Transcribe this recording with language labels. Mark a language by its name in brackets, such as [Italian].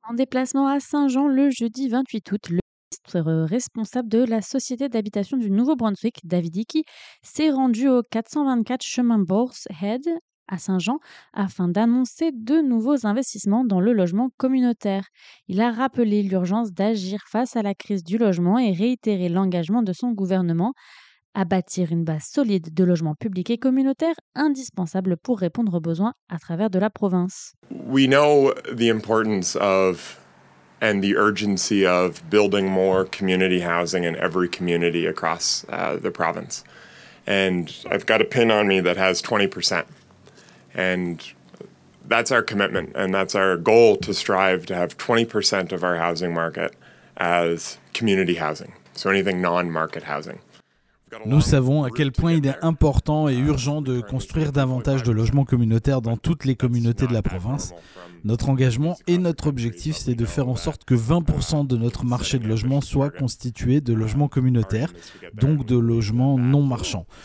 [French] En déplacement à Saint-Jean le jeudi 28 août, le ministre responsable de la Société d'habitation du Nouveau-Brunswick, David Hickey, s'est rendu au 424 chemin Bourse Head à Saint-Jean afin d'annoncer de nouveaux investissements dans le logement communautaire. Il a rappelé l'urgence d'agir face à la crise du logement et réitéré l'engagement de son gouvernement à bâtir une base solide de logements publics et communautaires indispensables pour répondre aux besoins à travers de la province. [English] We know the importance of and the urgency of building more community housing in every community across the province. And I've got a pin on me that has 20%. And that's our commitment and that's our goal to strive to have 20% of our housing market as community housing. So anything non-market housing. [French] Nous savons à quel point il est important et urgent de construire davantage de logements communautaires dans toutes les communautés de la province. Notre engagement et notre objectif, c'est de faire en sorte que 20% de notre marché de logements soit constitué de logements communautaires, donc de logements non marchands.